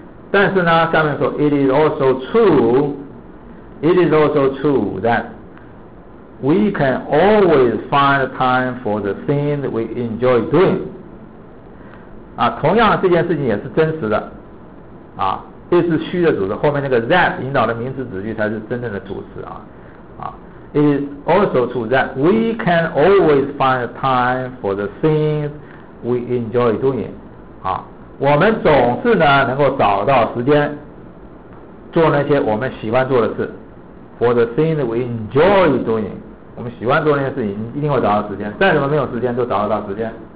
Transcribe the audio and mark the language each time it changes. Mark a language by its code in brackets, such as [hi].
[zh] 但是呢，下面说 [en] It is also true that we can always find time for the things we enjoy doing。 [zh] 啊，同样这件事情也是真实的啊，这是虚的主词，后面那个 that 引导的名词子句才是真正的主词啊。 [en] It is also true that we can always find time for the things we enjoy doing. [zh] 啊，我们总是呢能够找到时间做那些我们喜欢做的事。 [en] For the things we enjoy doing, [zh] 我们喜欢做那些事情，一定会找到时间。再怎么没有时间，都找得到时间。